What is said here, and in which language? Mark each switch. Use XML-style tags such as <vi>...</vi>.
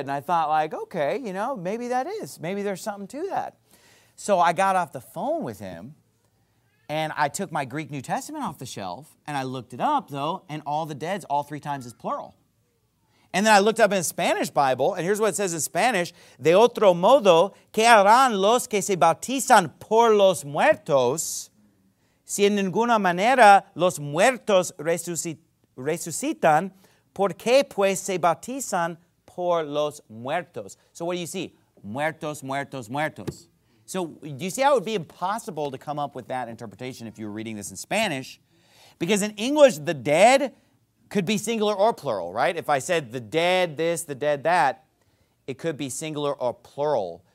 <en>And I thought like, okay, you know, maybe that is. Maybe there's something to that. So I got off the phone with him and I took my Greek New Testament off the shelf and I looked it up though, and all the deads, all three times is plural. And then I looked up in the Spanish Bible, and here's what it says in Spanish.</en> <es>De otro modo, ¿qué harán los que se bautizan por los muertos si en ninguna manera los muertos resucitan? ¿Por qué pues se bautizan por los muertos?</es> <en>So what do you see? Muertos, muertos, muertos. So do you see how it would be impossible to come up with that interpretation if you were reading this in Spanish? Because in English, the dead could be singular or plural, right? If I said the dead this, the dead that, it could be singular or plural.</en>